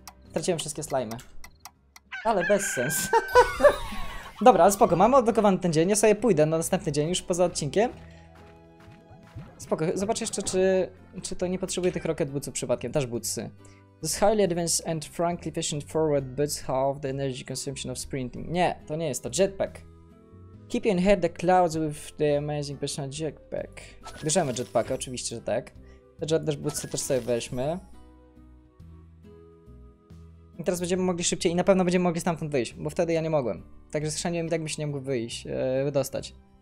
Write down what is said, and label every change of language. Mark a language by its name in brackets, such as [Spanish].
[Polish] Straciłem wszystkie slime. Ale bez sensu. Dobra, ale spoko, mamy odblokowany ten dzień, ja sobie pójdę na następny dzień, już poza odcinkiem. Spoko, zobacz jeszcze, czy to nie potrzebuje tych rocket bootsów przypadkiem, też bootsy. [English] This highly advanced and frankly efficient forward boots halve the energy consumption of sprinting. [Polish] Nie, to nie jest to, jetpack. [English] Keep in head the clouds with the amazing personal jetpack. [Polish] Bierzemy jetpacka, oczywiście, że tak. Te też bootsy też sobie weźmy. I teraz będziemy mogli szybciej i na pewno będziemy mogli stamtąd wyjść, bo wtedy ja nie mogłem. Także schrzaniłem i tak bym się nie mógł wyjść, wydostać.